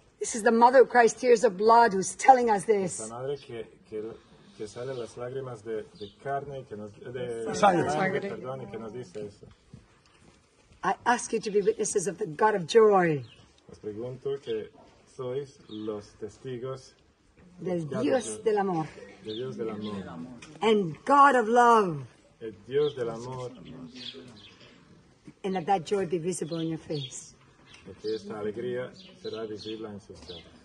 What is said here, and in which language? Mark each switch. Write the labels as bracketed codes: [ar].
[en] This is the mother who cries tears of blood who's telling us this. [es] Esa madre que sale las lágrimas de carne y que nos dice eso. [en] I ask you to be witnesses of the God of joy. [es] Os pregunto que sois los testigos del Dios del amor. Del Dios del amor. [en] And God of love. [es] El Dios del amor. [en] And let that joy be visible in your face. [es] Que esta alegría será visible en sus caras.